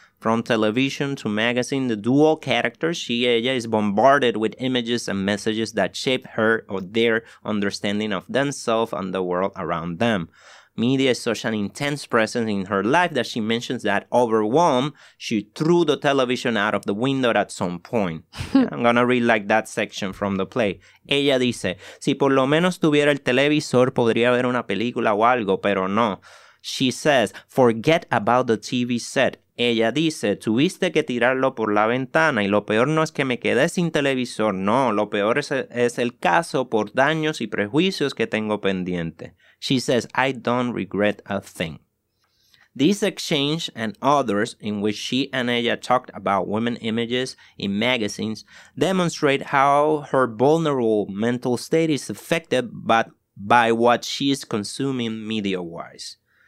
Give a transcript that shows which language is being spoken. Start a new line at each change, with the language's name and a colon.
English: From television to magazine, the dual character, she, ella, is bombarded with images and messages that shape her or their understanding of themselves and the world around them. Media is such an intense presence in her life that she mentions that overwhelmed, she threw the television out of the window at some point. I'm gonna read like that section from the play.
Spanish: Ella dice, si por lo menos tuviera el televisor, podría ver una película o algo, pero no.
English: She says, forget about the TV set.
Spanish: Ella dice, tuviste que tirarlo por la ventana y lo peor no es que me quedé sin televisor, no, lo peor es el caso por daños y prejuicios que tengo pendiente.
English: She says, I don't regret a thing. This exchange and others in which she and ella talked about women images in magazines demonstrate how her vulnerable mental state is affected by what she is consuming media-wise.